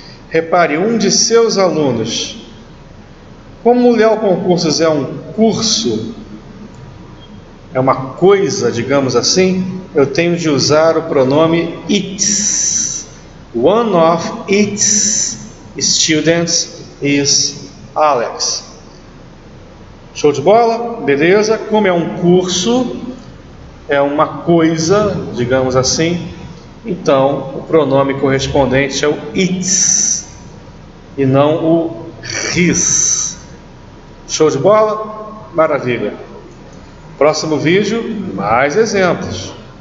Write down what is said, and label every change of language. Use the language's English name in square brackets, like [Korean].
[Portuguese] Repare, um de seus alunos. Como o Leal Concursos é um curso, é uma coisa, digamos assim, eu tenho de usar o pronome its. [English] One of its students is Alex. [Portuguese] Show de bola? Beleza? Como é um curso, é uma coisa, digamos assim, então o pronome correspondente é o its e não o his. Show de bola? Maravilha! Próximo vídeo, mais exemplos.